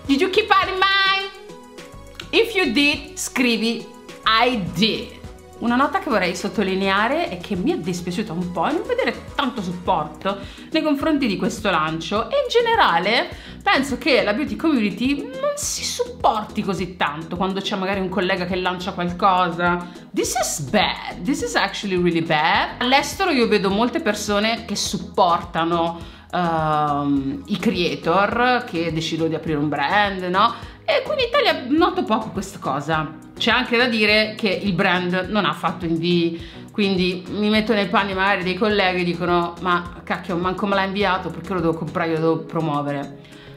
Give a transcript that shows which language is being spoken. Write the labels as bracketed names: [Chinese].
[English] Did you keep that in mind? If you did, [Italian] scrivi [English] I did! [Italian] Una nota che vorrei sottolineare e che mi è dispiaciuta un po' è non vedere tanto supporto nei confronti di questo lancio. E in generale penso che la beauty community non si supporti così tanto quando c'è magari un collega che lancia qualcosa. [English] This is bad, this is actually really bad. [Italian] All'estero io vedo molte persone che supportano i creator che decidono di aprire un brand, no? E qui in Italia noto poco questa cosa. C'è anche da dire che il brand non ha fatto invii, quindi mi metto nei panni magari dei colleghi e dicono: ma cacchio, manco me l'ha inviato, perché lo devo comprare, lo devo promuovere.